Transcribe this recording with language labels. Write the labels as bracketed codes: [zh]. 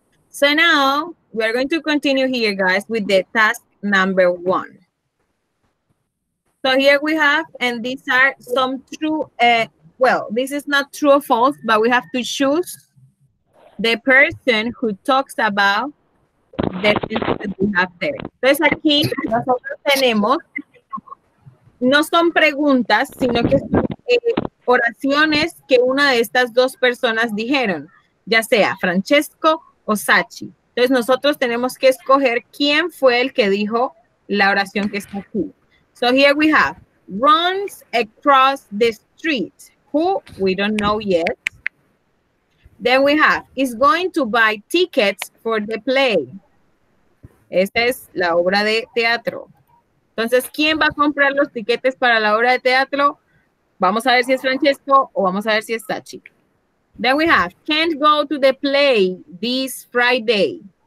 [en] So now we're going to continue here, guys, with the task number one. So here we have, and these are some true, well, this is not true or false, but we have to choose the person who talks about the things that we have there. [es] Entonces aquí nosotros tenemos, no son preguntas, sino que son oraciones que una de estas dos personas dijeron, ya sea Francesco o Sachi. Entonces nosotros tenemos que escoger quién fue el que dijo la oración que está aquí. [en] So here we have, runs across the street. Who? We don't know yet. Then we have, is going to buy tickets for the play. [es] Esta es la obra de teatro. Entonces, ¿quién va a comprar los tiquetes para la obra de teatro? Vamos a ver si es Francesco o vamos a ver si es Sachi. [en] Then we have, can't go to the play this Friday.